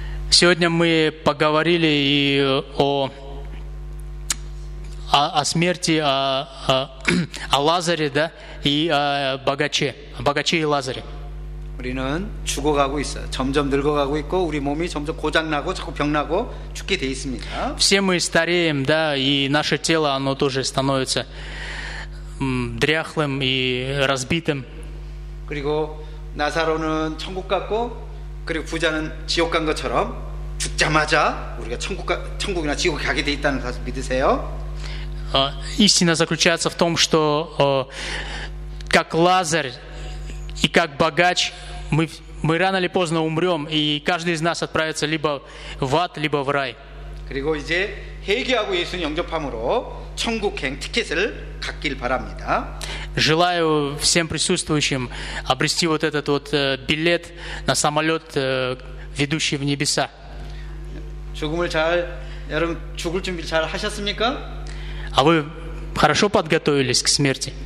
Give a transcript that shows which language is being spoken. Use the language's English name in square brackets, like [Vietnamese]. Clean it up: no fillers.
[Russian] Сегодня мы поговорили и о смерти, о Лазаре, да, и о богаче, богаче и Лазаре. [Korean] 우리는 죽어가고 있어. 점점 늙어가고 있고 우리 몸이 점점 고장나고 자꾸 병나고 죽게 돼 있습니다. [Russian] Все мы стареем, да, и наше тело оно тоже становится дряхлым и разбитым. [Korean] 그리고 나사로는 천국 갔고 그리고 부자는 지옥 간 것처럼 죽자마자 우리가 천국이나 지옥에 가게 돼 있다는 사실 믿으세요? [Russian] Истина заключается в том, что как Лазарь и как богач, мы рано или поздно умрем, и каждый из нас отправится либо в ад, либо в рай. [Korean] 그리고 이제 회개하고 예수님 영접함으로 천국행 티켓을 갖길 바랍니다. [Russian] Желаю всем присутствующим обрести вот этот вот билет на самолет, ведущий в небеса. [Korean] 죽음을 잘 여러분 죽을 준비 잘 하셨습니까? [Russian] А вы хорошо подготовились к смерти?